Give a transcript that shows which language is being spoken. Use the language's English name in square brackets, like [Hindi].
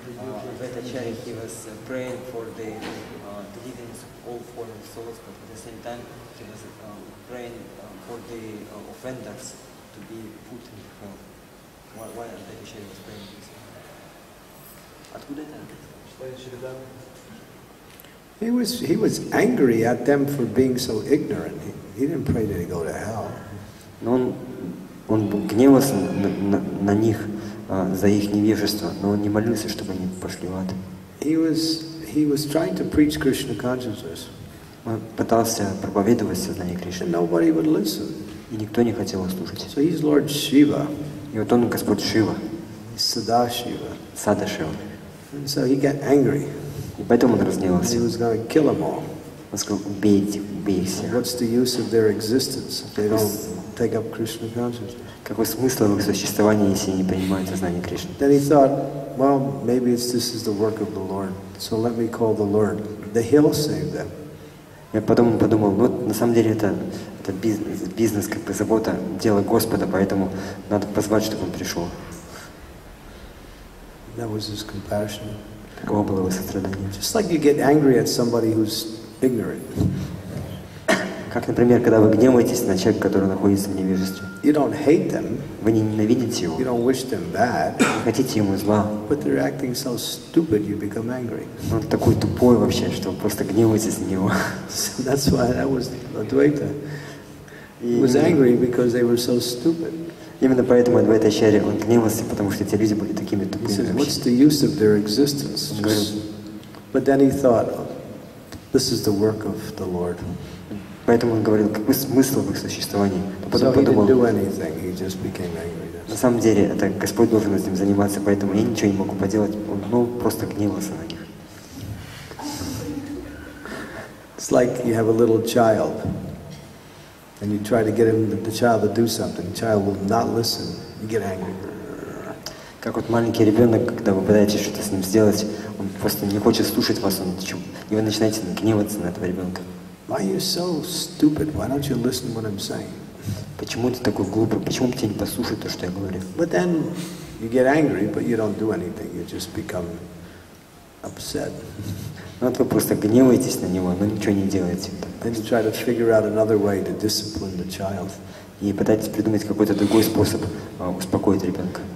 [English] He was praying for the deliverance of all fallen souls, but at the same time he was praying for the offenders to be put in hell. Why are the Acharya praying this? [Russian] Откуда это? [English] He was angry at them for being so ignorant. He didn't pray that he go to hell. [Russian] Но он гневался на них за их невежество, но он не молился, чтобы они пошли в ад. [English] He was trying to preach Krishna consciousness. [Russian] Он пытался проповедовать сознание Кришны. [English] And nobody would listen. [Russian] И никто не хотел слушать. [English] So he's Lord Shiva. [Russian] И вот он Господь Шива. [English] Sadashiva. [Russian] Sadashiva. [English] And so he got angry. [Russian] И поэтому он разгневался. [English] He was going to kill them all. [Russian] Он сказал, убей их всех. [English] What's the use of their existence if they don't take up Krishna consciousness? [Russian] Какой смысл в их существовании, если они не принимают сознание Кришны? [English] Then he thought, well, maybe this is the work of the Lord. So let me call the Lord. The hill saved them. [Russian] Я потом подумал, ну на самом деле это бизнес, как бы забота, дело Господа, поэтому надо позвать, чтобы он пришел. [English] That was his compassion. [Russian] Такого было его сострадание. [English] Just like you get angry at somebody who's ignorant. [Russian] Как, например, когда вы гневаетесь на человека, который находится в невежестве. [English] You don't hate them. [Russian] Вы не ненавидите его. [English] You don't wish them bad. [Russian] Вы хотите ему зла. [English] But they're acting so stupid, you become angry. [Russian] Он такой тупой вообще, что вы просто гневаетесь на него. [English] So that's why that was Advaita. He was angry because they were so stupid. [Russian] Именно поэтому Адвайта Ачарья, он гневался, потому что эти люди были такими тупыми вообще. [English] He said, what's the use of their existence? But then he thought, this is the work of the Lord. [Russian] Поэтому он говорил, какой смысл в их существовании. Потом подумал, на самом деле, это Господь должен этим заниматься, поэтому я ничего не могу поделать. Он просто гневался на них. [English] It's like you have a little child, and you try to get the child to do something. The child will not listen. You get angry. [Russian] Как вот маленький ребенок, когда вы пытаетесь что-то с ним сделать, он просто не хочет слушать вас, и вы начинаете гневаться на этого ребенка. [English] Why are you so stupid? Why don't you listen to what I'm saying? [Russian] Почему ты такой глупый? Почему бы тебе не послушать то, что я говорю? [English] But then you get angry, but you don't do anything. You just become upset. [Russian] Ну, вот вы просто гневаетесь на него, но ничего не делаете. [English] Then you try to figure out another way to discipline the child. [Russian] И пытайтесь придумать какой-то другой способ успокоить ребенка.